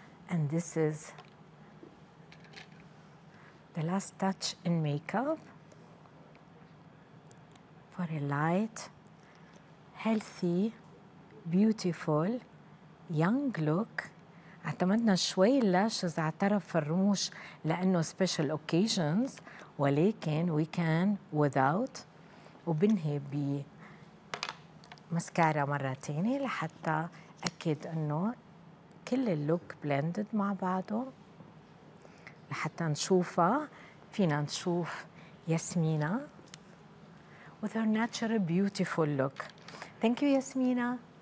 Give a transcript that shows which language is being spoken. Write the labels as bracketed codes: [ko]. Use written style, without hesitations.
[en] And this is the last touch in makeup for a light, healthy, beautiful, young look. [ar] اعتمدنا شوي اللاشز على طرف الرموش لأنه [en] special occasions، [ar] ولكن [en] we can without. [ar] وبنهي بمسكارا مرة تانية لحتى أكد أنه كل اللوك بلندد مع بعضه. لحتى نشوفها فينا نشوف [en] Yasmina with her natural beautiful look. Thank you Yasmina.